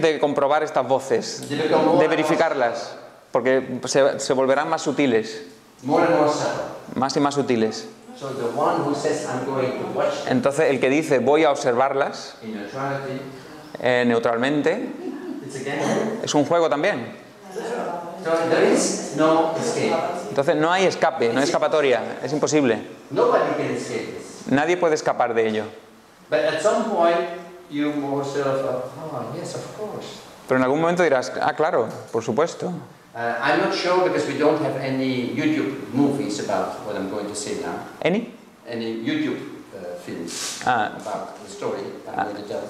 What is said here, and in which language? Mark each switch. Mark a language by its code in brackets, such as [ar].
[es] de comprobar estas voces, de verificarlas, porque se volverán más sutiles. [en] More and more subtle. [es] Más y más sutiles. [en] So the one who says I'm going to watch. [es] Entonces el que dice voy a observarlas. [en] In neutrality. [es] Neutralmente. [en] It's a game. [es] Es un juego también. [en] So there is no escape. [es] Entonces no hay escape, no hay escapatoria, es imposible. [en] Nobody can escape this. [es] Nadie puede escapar de ello. [en] But at some point you yourself, oh yes, of course. [es] Pero en algún momento dirás, ah claro, por supuesto. [en] I'm not sure because we don't have any YouTube movies about what I'm going to say now. Any? Any YouTube films about the story I'm going to tell.